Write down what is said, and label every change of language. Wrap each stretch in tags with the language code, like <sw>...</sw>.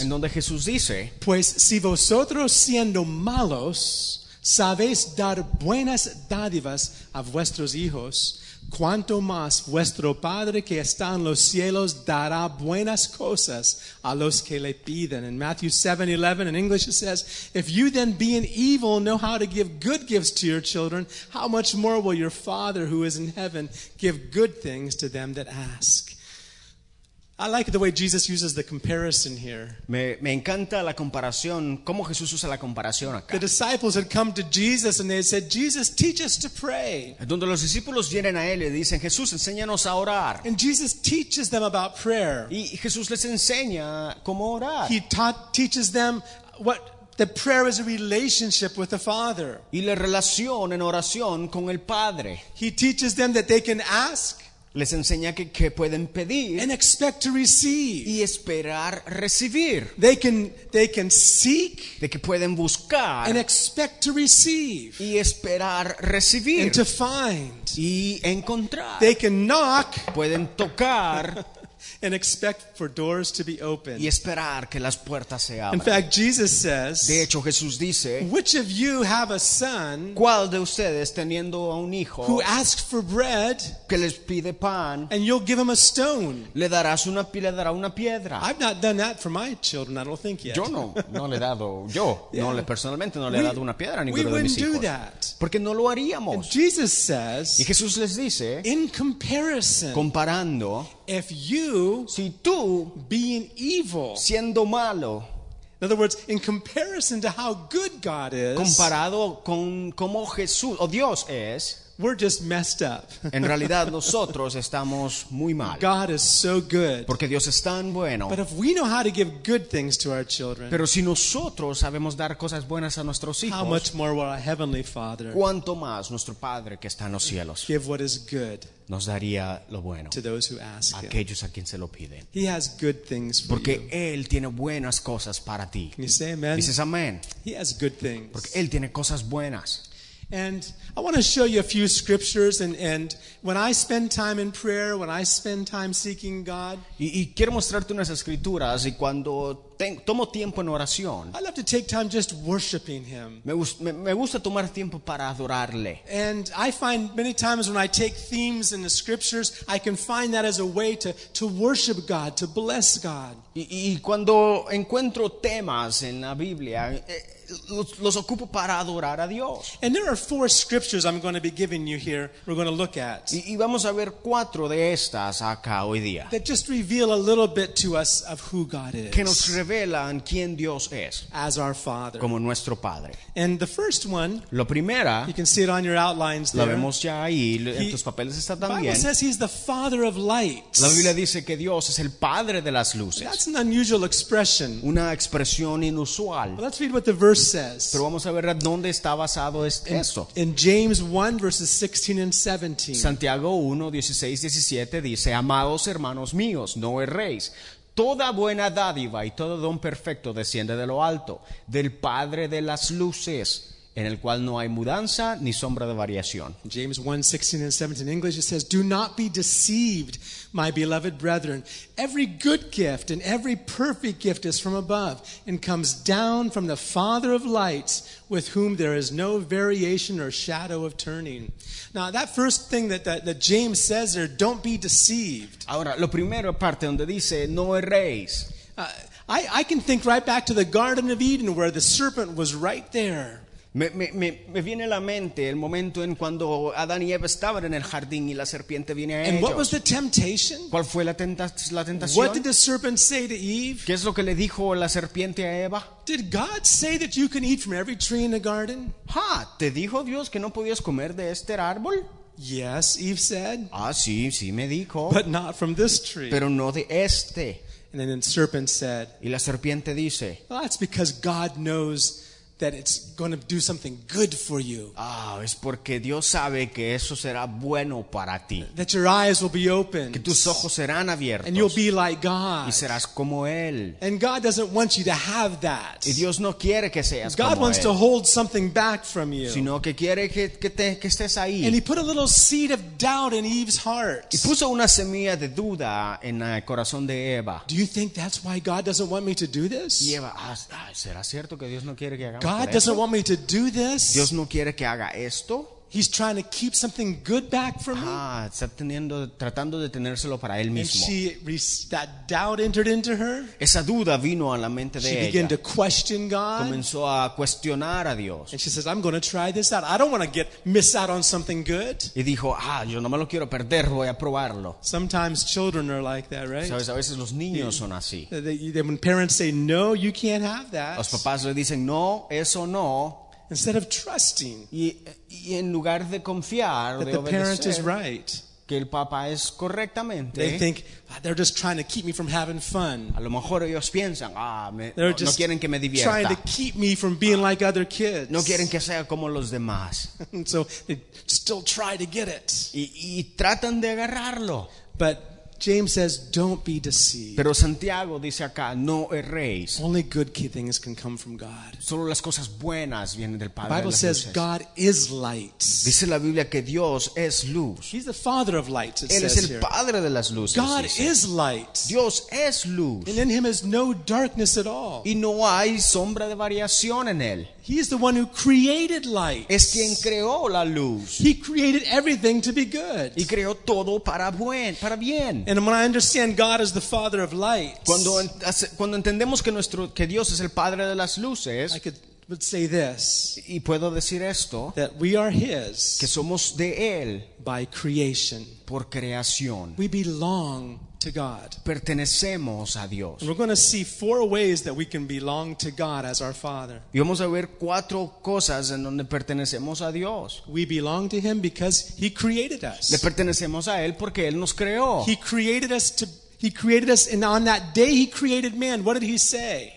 <es>En donde Jesús dice. Pues si vosotros siendo malos sabéis dar buenas dádivas a vuestros hijos, cuanto más vuestro Padre que está en los cielos dará buenas cosas a los que le piden.</es> <en>In Matthew 7:11, in English it says, if you then being evil know how to give good gifts to your children, how much more will your Father who is in heaven give good things to them that ask? I like the way Jesus uses the comparison here.</en> <es>Me encanta la comparación, cómo Jesús usa la comparación acá.</es> <en>The disciples had come to Jesus and they said, Jesus, teach us to pray.</en> <es>Donde los discípulos vienen a él y dicen, Jesús, enséñanos a orar.</es> <en>And Jesus teaches them about prayer.</en> <es>Y Jesús les enseña cómo orar.</es> <en>He teaches them what the prayer is, a relationship with the Father.</en> <es>Y la relación en oración con el Padre.</es> <en>He teaches them that they can ask.</en> <es>Les enseña que pueden pedir</es> <en>and expect to receive.</en> <es>Y esperar recibir.</es> <en>They can seek,</en> <es>de que pueden buscar,</es> <en>and expect to receive,</en> <es>y esperar recibir,</es> <en>and to find,</en> <es>y encontrar.</es> <en>They can knock,</en> <es>pueden tocar,</es> <en>and expect for doors to be opened.</en> <es>Y esperar que las puertas se abran.</es> <en>In fact, Jesus says,</en> <es>de hecho, Jesús dice,</es> <en>which of you have a son,</en> <es>¿cuál de ustedes, teniendo a un hijo,</es> <en>who asks for bread,</en> <es>que les pide pan,</es> <en>and you'll give him a stone?</en> <es>Le darás una, le dará una piedra.</es> <en>I've not done that for my children, I don't think yet.</en> <es>Yo no le he dado, yo,</es> <en>yeah.</en> <es>personalmente no le he dado una piedra a ninguno de mis hijos.</es> <en>We wouldn't do that.</en> <es>Porque no lo haríamos.</es> <en>And Jesus says,</en> <es>y Jesús les dice,</es> <en>in comparison,</en> <es>comparando,</es> <en>if you,</en> <es>si tú,</es> <en>being evil,</en> <es>siendo malo,</es> <en>in other words, in comparison to how good God is,</en> <es>comparado con cómo Jesús o Dios es,</es> <en>we're just messed up.</en> <es>En realidad nosotros estamos muy mal.</es> <en>God is so good.</en> <es>Porque Dios es tan bueno.</es> <en>But if we know how to give good things to our children,</en> <es>pero si nosotros sabemos dar cosas buenas a nuestros hijos,</es> <en>how much more will our Heavenly Father,</en> <es>cuanto más nuestro Padre que está en los cielos,</es> <en>give what is good,</en> <es>nos daría lo bueno,</es> <en>to those who ask,</en> <es>aquellos a quien se lo piden.</es> <en>He has good things for,</en> <es>porque</es> <en>you,</en> <es>él tiene buenas cosas para ti.</es> <en>Can you say amen?</en> <es>Dices amén.</es> <en>He has good things.</en> <es>Porque él tiene cosas buenas.</es> <en>And I want to show you a few scriptures, and when I spend time in prayer, when I spend time seeking God,</en> <es>y quiero mostrarte unas escrituras, y cuando tomo tiempo en oración,</es> <en>I love to take time just worshiping Him.</en> <es>Me gusta tomar tiempo para adorarle.</es> <en>And I find many times when I take themes in the scriptures, I can find that as a way to worship God, to bless God.</en> <es>Y cuando encuentro temas en la Biblia, los ocupo para adorar a Dios.</es> <en>And there are four scriptures I'm going to be giving you here, we're going to look at.</en> <es>Y vamos a ver cuatro de estas acá hoy día.</es> <en>That just reveal a little bit to us of who God is.</en> <es>Que nos revelan quién Dios es.</es> <en>As our Father.</en> <es>Como nuestro Padre.</es> <en>And the first one,</en> <es>lo primera,</es> <en>you can see it on your outlines there.</en> <es>La vemos ya ahí, en tus papeles está también.</es> <en>The Bible says He's the Father of lights.</en> <es>La Biblia dice que Dios es el Padre de las luces.</es> <en>That's an unusual expression.</en> <es>Una expresión inusual.</es> <en>But let's read what the verse says.</en> <es>Pero vamos a ver dónde está basado esto.</es> <en>In James 1, verses 16 and 17.</en> <es>Santiago 1, 16, 17 dice, amados hermanos míos, no erréis. Toda buena dádiva y todo don perfecto desciende de lo alto, del Padre de las luces, en el cual no hay mudanza ni sombra de variación.</es> <en>James 1, 16 and 17 in English, it says, do not be deceived, my beloved brethren. Every good gift and every perfect gift is from above and comes down from the Father of lights, with whom there is no variation or shadow of turning. Now, that first thing that James says there, don't be deceived.</en> <es>Ahora, lo primero parte donde dice, no erréis.</es> <en>I can think right back to the Garden of Eden where the serpent was right there.</en> <es>Me viene a la mente el momento en cuando Adán y Eva estaban en el jardín y la serpiente viene a</es> <en>and</en> <es>ellos.</es> <en>What was the temptation?</en> <es>¿Cuál fue la tentación?</es> <en>What did the serpent say to Eve?</en> <es>¿Qué es lo que le dijo la serpiente a Eva?</es> <en>Did God say that you can eat from every tree in the garden?</en> <es>Ha, ¿te dijo Dios que no podías comer de este árbol?</es> <en>Yes, Eve said.</en> <es>Ah, sí, sí me dijo.</es> <en>But not from this tree.</en> <es>Pero no de este.</es> <en>And then the serpent said.</en> <es>Y la serpiente dice.</es> <en>Well, that's because God knows that it's going to do something good for you.</en> <es>Ah, es porque Dios sabe que eso será bueno para ti.</es> <en>That your eyes will be open.</en> <es>Que tus ojos serán abiertos.</es> <en>And you'll be like God.</en> <es>Y serás como Él.</es> <en>And God doesn't want you to have that.</en> <es>Y Dios no quiere que seas como Él.</es> <en>God wants to hold something back from you.</en> <es>Sino que quiere que estés ahí.</es> <en>And He put a little seed of doubt in Eve's heart.</en> <es>Y puso una semilla de duda en el corazón de Eva.</es> <en>Do you think that's why God doesn't want me to do this?</en> <es>Y Eva, ¿será cierto que Dios no quiere que hagamos?</es> <en>God doesn't want me to do this.</en> <es>Dios no quiere que haga esto.</es> <en>He's trying to keep something good back from me.</en> <es>Ah, está teniendo, tratando de tenérselo para él mismo.</es> <en>And she, that doubt entered into her.</en> <es>Esa duda vino a la mente de ella.</es> <en>She began to question God.</en> <es>Comenzó a cuestionar a Dios.</es> <en>And she says, I'm going to try this out. I don't want to miss out on something good.</en> <es>Y dijo, yo no me lo quiero perder, voy a probarlo.</es> <en>Sometimes children are like that, right?</en> <es>Sabes, a veces los niños son así.</es> <en>They, when parents say, no, you can't have that.</en> <es>Los papás le dicen, no, eso no.</es> <en>Instead of trusting,</en> <es>y en lugar de confiar,</es> <en>that the parent is right,</en> <es>que el papá es correctamente,</es> <en>they think they're just trying to keep me from having fun.</en> <es>A lo mejor ellos piensan,</es> <en>they're just</en> <es>no quieren que me divierta.</es> <en>Trying to keep me from being like other kids.</en> <es>No quieren que sea como los demás.</es> <en>So they still try to get it.</en> <es>Y tratan de agarrarlo.</es> <en>But James says, don't be deceived.</en> <es>Pero Santiago dice acá, no erréis.</es> <en>Only good things can come from God.</en> <es>Solo las cosas buenas vienen del Padre.</es> <en>The Bible</en> <es>de las</es> <en>says</en> <es>luces.</es> <en>God is light.</en> <es>Dice la Biblia que Dios es luz.</es> <en>He's the Father of light, it</en> <es>Él</es> <en>says</en> <es>es el</es> <en>here.</en> <es>Padre de las luces.</es> <en>God</en> <es>dice.</es> <en>Is light.</en> <es>Dios es luz.</es> <en>And in Him is no darkness at all.</en> <es>Y no hay sombra de variación en Él.</es> <en>He is the one who created light.</en> <es>Es quien creó la luz.</es> <en>He created everything to be good.</en> <es>Y creó todo para bien.</es> <en>And when I understand God is the Father of light,</en> <es>cuando entendemos que Dios es el Padre de las luces,</es> <en>I could say this,</en> <es>y puedo decir esto,</es> <en>that we are His,</en> <es>que somos de Él,</es> <en>by creation,</en> <es>por creación.</es> <en>We belong to God.</en> <es>Pertenecemos a Dios.</es> <en>And we're going to see four ways that we can belong to God as our Father.</en> <es>Y vamos a ver cuatro cosas en donde pertenecemos a Dios.</es> <en>We belong to Him because He created us.</en> <es>Le pertenecemos a Él porque Él nos creó.</es> <en>He created us, and on that day He created man, what did He say?</en>